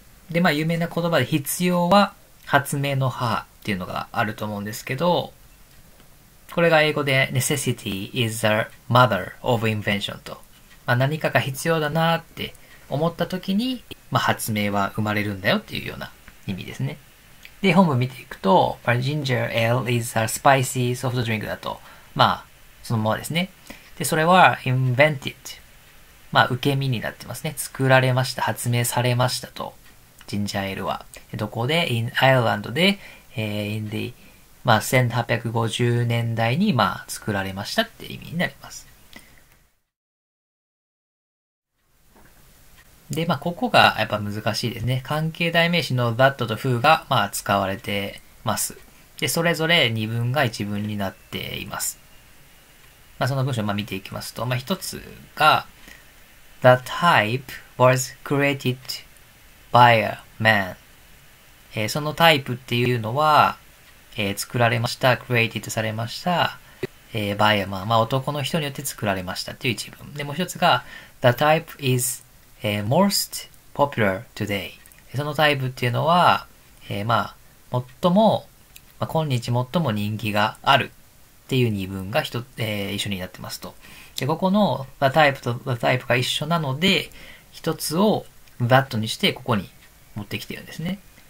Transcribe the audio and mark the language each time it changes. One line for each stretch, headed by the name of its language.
Japanese: で、まあ、有名な言葉で、必要は発明の母っていうのがあると思うんですけど、これが英語で、
English: necessity is the mother of invention
Japanese: と。まあ、何かが必要だなって思った時に、まあ、発明は生まれるんだよっていうような意味ですね。で、本文見ていくと、
English: ginger ale is a spicy soft drink
Japanese: だと。まあ、そのままですね。で、それは invented。まあ、受け身になってますね。作られました。発明されましたと。ジンジャーエールは。どこで ?
English: in Ireland
Japanese: で、in the, まあ、1850年代に、まあ、作られましたって意味になります。で、まあ、ここがやっぱ難しいですね。関係代名詞の that と who が、まあ、使われてます。で、それぞれ二文が一文になっています。まあ、その文章、まあ、見ていきますと、まあ、一つが、
English: the type was created by a man、
Japanese: そのタイプっていうのは、作られました、created されました、
English: by a man、
Japanese: まあ、男の人によって作られましたっていう一文。で、もう一つが、
English: the type is、most popular today。
Japanese: そのタイプっていうのは、まあ、最も、まあ、今日最も人気があるっていう二文が一緒になってますと。で、ここの the type と the type が一緒なので、一つを that にして、ここに持ってきてるんですね。